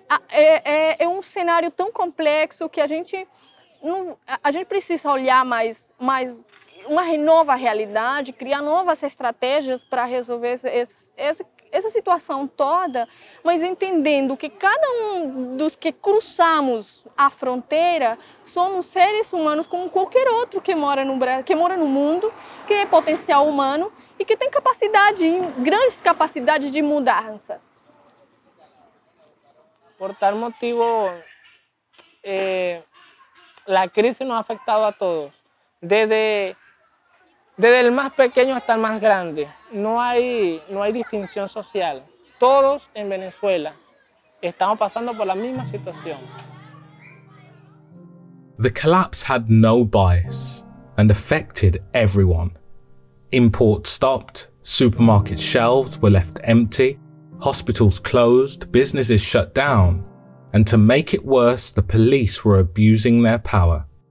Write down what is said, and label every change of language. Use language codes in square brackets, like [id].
[pt] É um cenário tão complexo que a gente precisa olhar mais uma nova realidade, criar novas estratégias para resolver essa situação toda, mas entendendo que cada um dos que cruzamos a fronteira somos seres humanos como qualquer outro que mora no mundo, que é potencial humano e que tem capacidade, grande capacidade de mudança. [es] Por tal motivo, [pt] a crise nos afetou [es] a todos, desde el más pequeño hasta el más grande. No hay distinción social. Todos en Venezuela estamos pasando por la misma situación. [en] The collapse had no bias and affected everyone. Imports stopped, supermarket shelves were left empty, hospitals closed, businesses shut down, and to make it worse, the police were abusing their power.